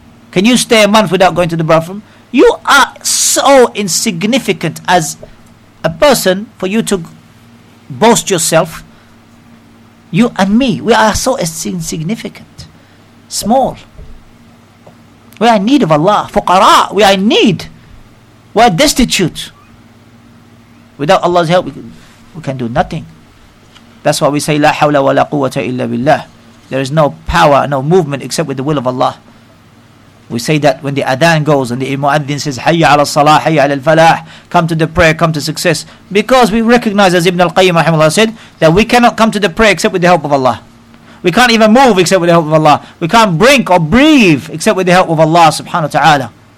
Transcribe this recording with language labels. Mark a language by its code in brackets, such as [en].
[en] Can you stay a month without going to the bathroom? You are so insignificant as a person for you to boast yourself. You and me, we are so insignificant, small. We are in need of Allah. Fuqara, we are in need. We are destitute. Without Allah's help, we can do nothing. That's why we say, [ar] لا حول ولا قوة إلا بالله. [en] There is no power, no movement except with the will of Allah. We say that when the adhan goes and the mu'adhin says, [ar] Hayya ala salah, hayya ala al-falah, [en] come to the prayer, come to success. Because we recognize, as Ibn al-Qayyim rahimahullah said, that we cannot come to the prayer except with the help of Allah. We can't even move except with the help of Allah. We can't blink or breathe except with the help of Allah subhanahu wa ta'ala.